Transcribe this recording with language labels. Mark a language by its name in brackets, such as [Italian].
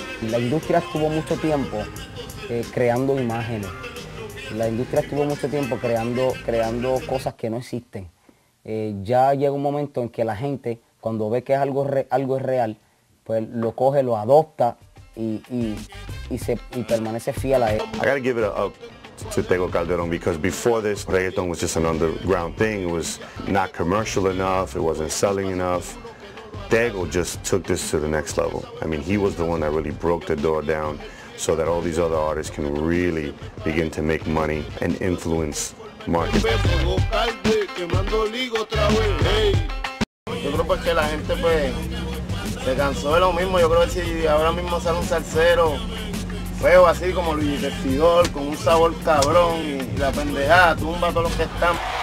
[Spanish] La industria estuvo mucho tiempo creando imágenes. La industria estuvo mucho tiempo creando cosas que no existen. Ya llega un momento en que la gente, cuando ve que es algo es real, pues lo coge, lo adopta y permanece fiel a él. [English] I gotta give it up to Tego Calderon, because before this, reggaeton was just an underground thing. It was not commercial enough, it wasn't selling enough. Tego just took this to the next level. I mean, he was the one that really broke the door down so that all these other artists can really begin to make money and influence markets. [Spanish] Yo creo pues que la gente pues se cansó de lo mismo. Yo creo que si ahora mismo sale un salsero feo así como Luis Vestidor, con un sabor cabrón y la pendejada, tumba a todos los que están.